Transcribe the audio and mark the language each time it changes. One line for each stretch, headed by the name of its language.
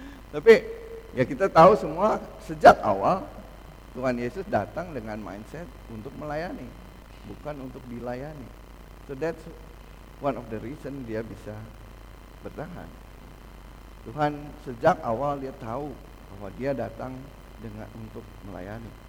Indonesian: Tapi ya kita tahu semua sejak awal Tuhan Yesus datang dengan mindset untuk melayani, bukan untuk dilayani.
English: So that's one of the reason
Indonesian: dia bisa bertahan. Tuhan sejak awal dia tahu bahwa dia datang dengan untuk melayani.